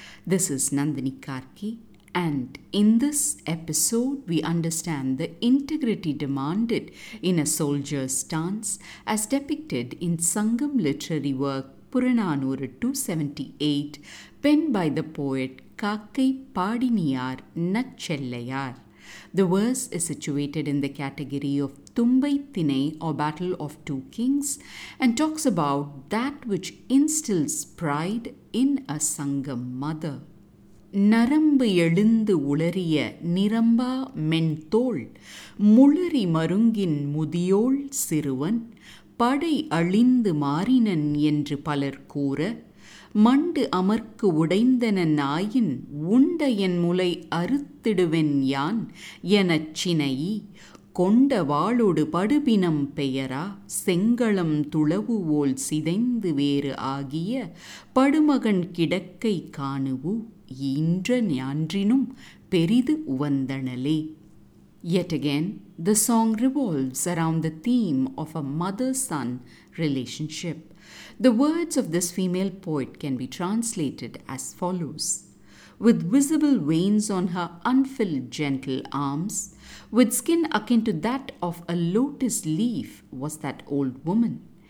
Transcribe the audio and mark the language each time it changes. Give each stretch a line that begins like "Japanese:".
English: This is Nandini Kaakkai, and in this episode we understand the integrity demanded in a soldier's stance as depicted in Sangam literary work Puranaanooru 278 penned by the poet Kaakkai Paadiniyaar Nachellaiyaar. The verse is situated in the category of Thumbai Thinai, or Battle of Two Kings, and talks about that which instills pride in a Sangam mother.
Tamil: Narambu elundu ulariya niramba menthol muluri marungin mudiyol siruvan padai alindu marinan endru palar koora மண்டு அமர்க்கு உடைந்தன நாயின் உண்ட என் முலை அறுத்திடுவேன் யான் எனச் சினையி கொண்ட வாளோடு படுபினம் பெயரா செங்களம் துளவுவோல் சிதைந்து வேறு ஆகிய படுமகன் கிடக்கை காணுவு இன்ற ஞான்றினும் பெரிது உவந்தனலே.
English: Yet again, the song revolves around the theme of a mother-son relationship. The words of this female poet can be translated as follows. With visible veins on her unfilled gentle arms, with skin akin to that of a lotus leaf, was that old woman.